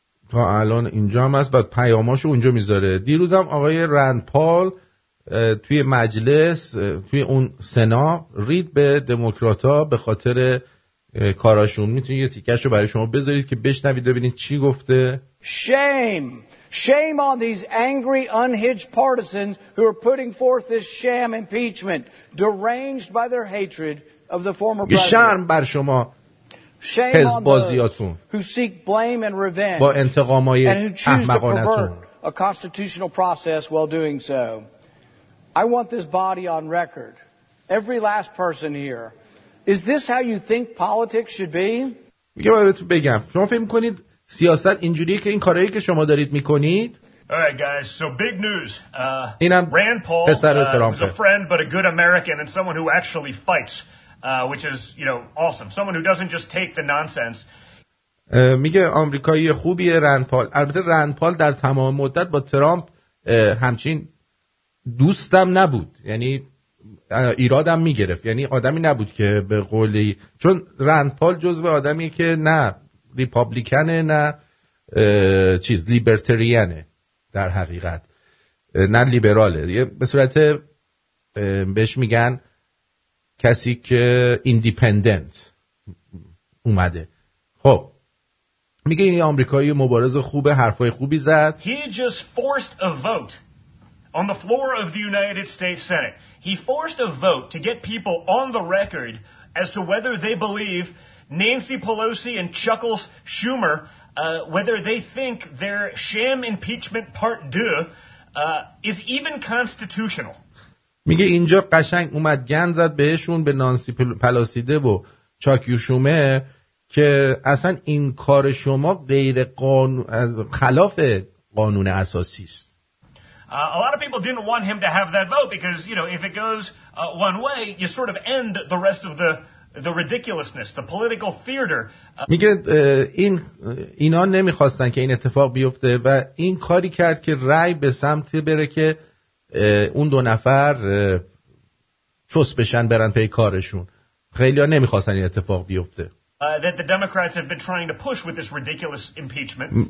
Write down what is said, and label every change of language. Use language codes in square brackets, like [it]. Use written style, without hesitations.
[fa] تا الان اینجا هم هست و پیاماشو اونجا میذاره. دیروز هم آقای رند پال توی مجلس توی اون سنا رید به دموکراتا به خاطر کاراشون. میتونید یه تیکرشو برای شما بذارید که بشنوید ببینید چی گفته. [en] Shame Shame on these angry, unhinged partisans who are putting forth this sham impeachment, deranged by their hatred of the former president. [fa] شرم بر شما حزب‌بازیاتون. [en] Who seek blame and revenge. [fa] با انتقام‌های احمقانه‌تون. [en] A constitutional process while doing so. I want this body on record. Every last person here. Is this how you think politics should be? [fa] میگه باید بهتون بگم. شما فهم کنید سیاست اینجوریه که این کارهایی که شما دارید میکنید. [en] Alright guys, so big news. [fa] اینم [en] Rand Paul, [fa] پسر ترامپ. [en] A friend but a good American and someone who actually fights, which is, you know, awesome. Someone who doesn't just take the nonsense. [fa] میگه آمریکایی خوبیه رند پال. البته رند پال در تمام مدت با ترامپ همچین دوستم نبود. یعنی ایرادم میگرفت. یعنی آدمی نبود که به قولی، چون رند پال جزء آدمی که نه ریپابلیکنه نه چیز لیبرتریانه، در حقیقت نه لیبراله، به صورت بهش میگن کسی که ایندیپندنت اومده. خب میگه این آمریکایی مبارز خوبه، حرفای خوبی زد. [en] He just forced a vote on the floor of the United States Senate. He forced a vote to get people on the record as to whether they believe Nancy Pelosi and Chuckles Schumer, whether they think their sham impeachment part deux is even constitutional. [fa] میگه اینجا قشنگ اومد گند زد بهشون، به نانسی پلاسیده و چاکیو شومر، که اصلا این کار شما غیر قانون، خلاف قانون اساسی است. [en] A lot of people didn't want him to have that vote because, you know, if it goes one way, you sort of end the rest of the ridiculousness, the political theater. [fa] میگه این اینا نمیخواستن که این اتفاق بیفته و این کاری کرد که رای به سمت بره که اون دو نفر چوس بشن برن پی کارشون. خیلی ها نمیخواستن این اتفاق بیفته. [en] That the Democrats have been trying to push with this ridiculous impeachment.